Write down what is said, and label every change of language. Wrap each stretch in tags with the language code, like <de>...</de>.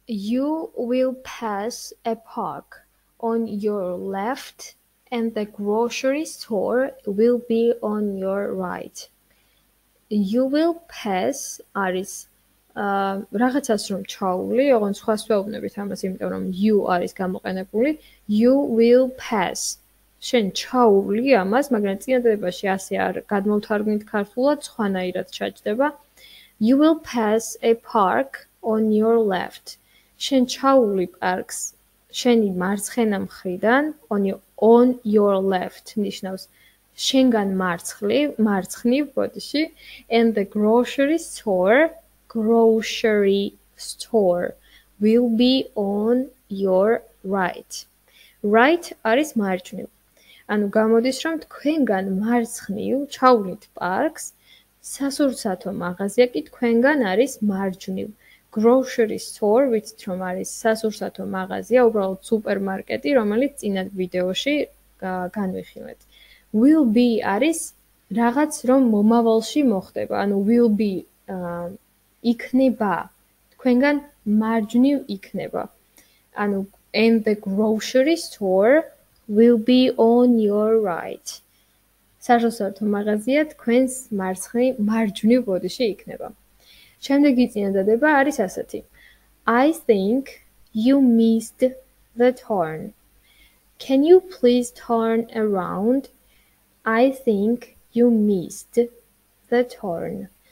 <en>You will pass a park on your left and the grocery store will be on your right. You will pass</en> <ka>არის რაღაცას რომ ჩაული, ოღონდ სხვა სხვაობნებით ამას, იმიტომ რომ you არის გამოყენებული.</ka> <en>You will pass.</en> <ka>შენ ჩაული ამას, მაგრამ წინადადებაში ასე არ გადმოვთარგმნით ქართულად, სხვანაირად ჩაჯდება.</ka> <en>You will pass a park on your left.</en> <ka>Შენ ჩაული პარკს შენი მარცხენა მხრიდან,</ka> <en>on your left</en> <ka>ნიშნავს შენგან მარცხნივ ბოდიში,</ka> <en>and the grocery store will be on your right.</en> <ka>Right არის მარჯვნივ. ანუ გამოდის რომ თქვენგან მარცხნივ ჩავლით პარკს, სასურსათო მაღაზია კი თქვენგან არის მარჯვნივ. Grocery store, ვიცით რომ არის სასურსათო მაღაზია, უბრალოდ სუპერმარკეტი, რომელიც წინა ვიდეოში განვიხილეთ.</ka> <en>Will be</en> <ka>არის რაღაც რომ მომავალში მოხდება, ანუ will be იქნება, თქვენგან მარჯვნივ იქნება.</ka> <en>ანუ and the grocery store will be on your right.</en> <ka>სასურსათო მაღაზია თქვენს მარჯვნივ ბოდიში იქნება. შემდეგი წინადადება არის ასეთი.</ka> <en>I think you missed the turn. Can you please turn around? I think you missed the turn.</en>